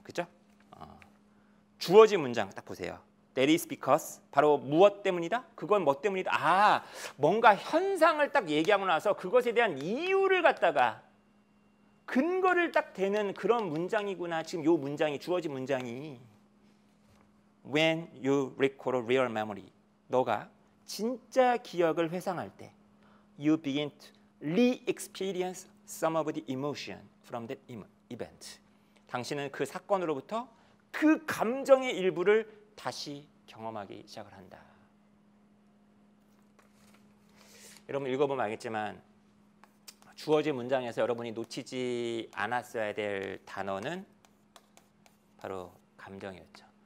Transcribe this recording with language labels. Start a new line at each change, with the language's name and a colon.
Korean: 그렇죠? 주어진 문장 딱 보세요.
English: That is because,
Korean: 바로 무엇 때문이다? 그건 뭐 때문이다? 아, 뭔가 현상을 딱 얘기하고 나서 그것에 대한 이유를 갖다가 근거를 딱 대는 그런 문장이구나. 지금 요 문장이, 주어진 문장이.
English: When you recall real memory,
Korean: 너가 진짜 기억을 회상할 때
English: you begin to re-experience some of the emotion from that event.
Korean: 당신은 그 사건으로부터 그 감정의 일부를 다시 경험하기 시작을 한다. 여러분 읽어보면 알겠지만 주어진 문장에서 여러분이 놓치지 않았어야 될 단어는 바로 감정이었죠.